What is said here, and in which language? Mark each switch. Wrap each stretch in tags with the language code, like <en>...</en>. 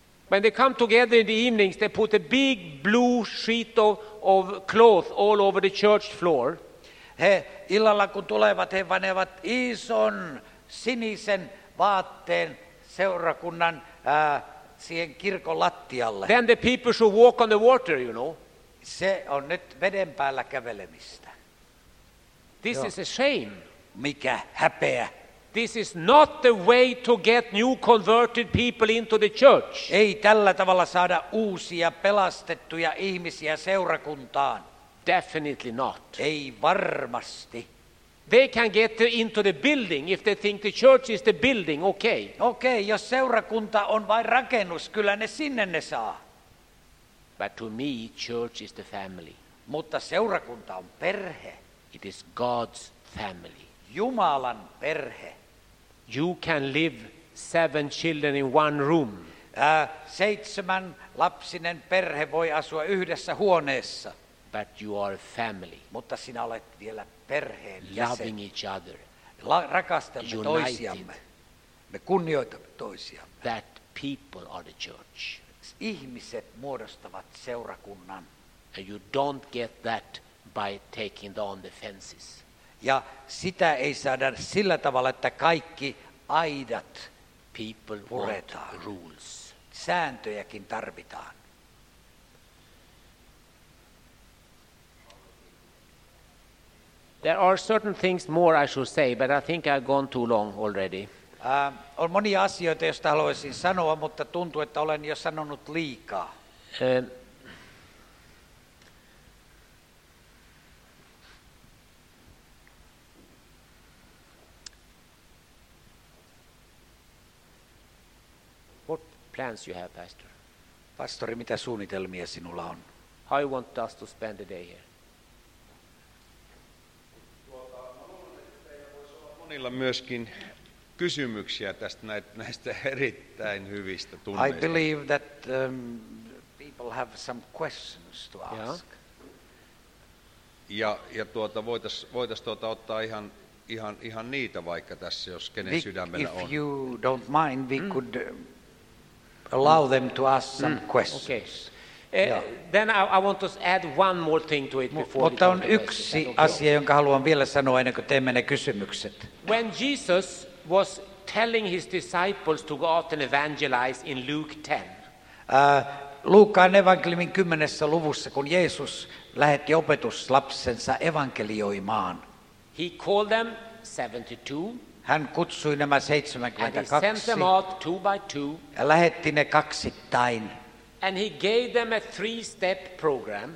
<en>When they come together in the evenings, they put a big blue sheet of cloth all over the church floor.</en> <fi>He illalla kun tulevat, he panevat ison sinisen vaatteen seurakunnan siihen kirkon lattialle.</fi> <en>Then the people should walk on the water, you know.</en> <fi>Se on nyt veden päällä kävelemistä.</fi> <en>This is a shame.</en> <fi>Mikä häpeä.</fi> <en>This is not the way to get new converted people into the church.</en> <fi>Ei tällä tavalla saada uusia pelastettuja ihmisiä seurakuntaan.</fi> <en>Definitely not.</en> <fi>Ei varmasti.</fi> <en>They can get into the building if they think the church is the building, okay.</en> <fi>Okay, jos seurakunta on vain rakennus, kyllä ne sinne ne saa.</fi> <en>But to me, church is the family.</en> <fi>Mutta seurakunta on perhe.</fi> <en>It is God's family.</en> <fi>Jumalan perhe.</fi> <en>You can live 7 children in one room.</en> <fi>7 lapsinen perhe voi asua yhdessä huoneessa.</fi> <en>But you are a family.</en> <fi>Mutta sinä olet vielä perheen jäsen.</fi> <en>Loving each other.</en> <fi>Rakastamme</fi> <en>United.</en> <fi>Toisiamme. Me kunnioitamme toisiamme.</fi> <en>That people are the church.</en> <fi>Ihmiset muodostavat seurakunnan.</fi> <en>And you don't get that by taking down the fences.</en> <fi>Ja sitä ei saada sillä tavalla, että kaikki aidat</fi> <en>people</en> <fi>puretaan.</fi> <en>Rules.</en> <fi>Sääntöjäkin tarvitaan.</fi> <en>There are certain things more I should say, but I think I've gone too long already.</en> <fi>On monia asioita, joista haluaisin sanoa, mutta tuntuu, että olen jo sanonut liikaa.</fi> <en>Plans you have, Pastor.</en> <fi>Pastori, mitä suunnitelmia sinulla on?</fi> <en>How you want us to spend the day here?</en> <fi>Monilla myöskin kysymyksiä tästä näistä erittäin hyvistä tunneista.</fi> <en>I believe that people have some questions to ask.</en> <fi>Ja voitais ottaa ihan niitä vaikka tässä, jos kenen sydämellä on.</fi> <en>If you don't mind, we could allow them to ask some questions. Okay. Then I want to add one more thing to it before.</en> <fi>Mutta on yksi asia, jonka haluan vielä sanoa ennen kuin teemme ne kysymykset.</fi> <en>When Jesus was telling his disciples to go out and evangelize in Luke 10.</en> <fi>Luukkaan evankeliumin 10. Luvussa, kun Jeesus lähetti opetuslapsensa evankelioimaan.</fi> <en>He called them 72.</en> <fi>Hän kutsui nämä 72</fi> <en>and he sent them out two by two,</en> <fi>ja lähetti ne kaksittain.</fi> <en>And he gave them a three-step program.</en>